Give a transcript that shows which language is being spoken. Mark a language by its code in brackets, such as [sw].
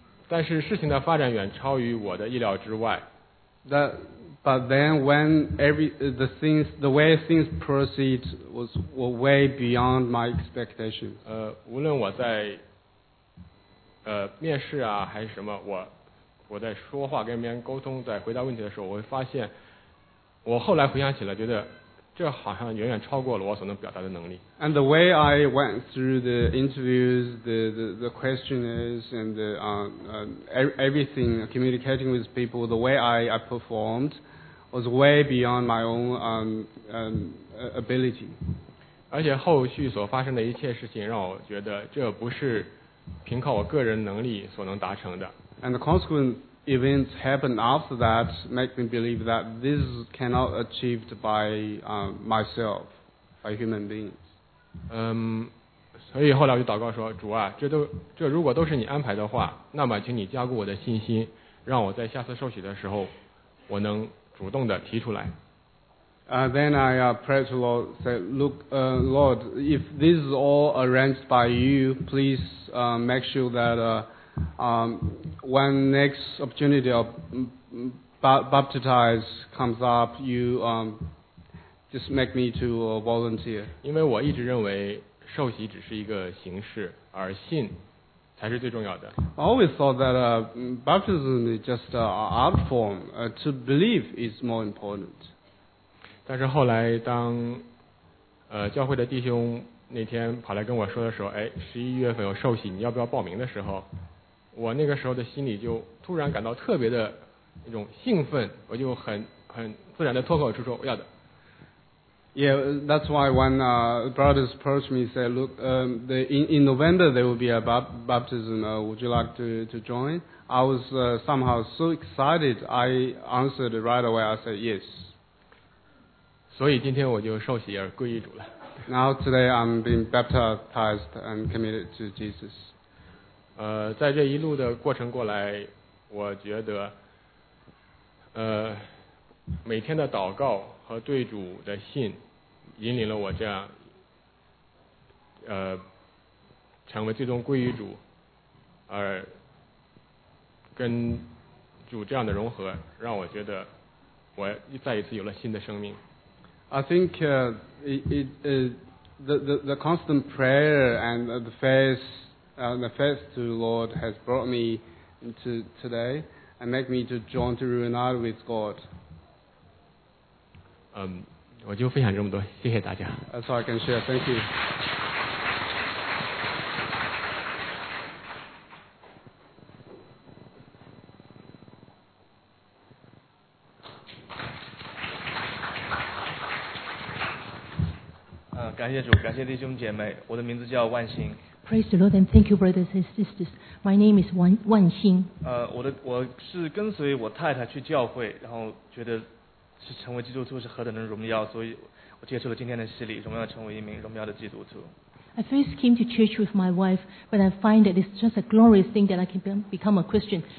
[zh] 但是事情的发展远超于我的意料之外。 [en] But then when the way things proceed was way beyond my expectations. [zh] 无论我在面试啊还是什么，我在说话跟别人沟通，在回答问题的时候，我会发现，我后来回想起来，觉得。这好像远远超过了我所能表达的能力。 [en] And the way I went through the interviews, the questionnaires, and the, everything, communicating with people, the way I performed was way beyond my own ability. [zh] 而且后续所发生的一切事情让我觉得这不是凭靠我个人能力所能达成的。 [en] And the consequence. Events happened after that make me believe that this cannot achieved by myself, by human beings. [zh] 所以后来我就祷告说，主啊，这如果都是你安排的话，那么请你加固我的信心，让我在下次受洗的时候，我能主动的提出来。 [en] Then I prayed to Lord, said, "Look, Lord, if this is all arranged by you, please make sure that." When next opportunity of baptize comes up, you just make me to volunteer. [zh] 因为我一直认为受洗只是一个形式，而信才是最重要的。 [en] I always thought that baptism is just an art form. To believe is more important. [zh] 但是后来当教会的弟兄那天跑来跟我说的时候，哎，十一月份有受洗，你要不要报名的时候？我那个时候的心里就突然感到特别的那种兴奋，我就很自然的脱口而出说，我要的。 [en] Yeah, that's why when brothers approached me, said, "Look, in November there will be a baptism. Would you like to join?" I was somehow so excited. I answered right away. I said yes. [zh] 所以今天我就受洗而归于主了。 [en] Now today I'm being baptized and committed to Jesus. [zh] 在这一路的过程过来，我觉得，每天的祷告和对主的信，引领了我这样，成为最终归于主，而跟主这样的融合，让我觉得我再一次有了新的生命。 [en] I think the constant prayer and the faith. The faith to the Lord has brought me to today, and make me to join to reunite with God. [zh] 我就分享这么多，谢谢大家。 [en] That's all I can share. Thank you. Praise the Lord and thank you, brothers and sisters. My name is Wan Xing. [zh] 我是跟随我太太去教会，然后觉得是成为基督徒是何等的荣耀，所以我接受了今天的洗礼，荣耀成为一名荣耀的基督徒。 [en] I first came to church with my wife, but I find that it's just a glorious thing that I can become a Christian.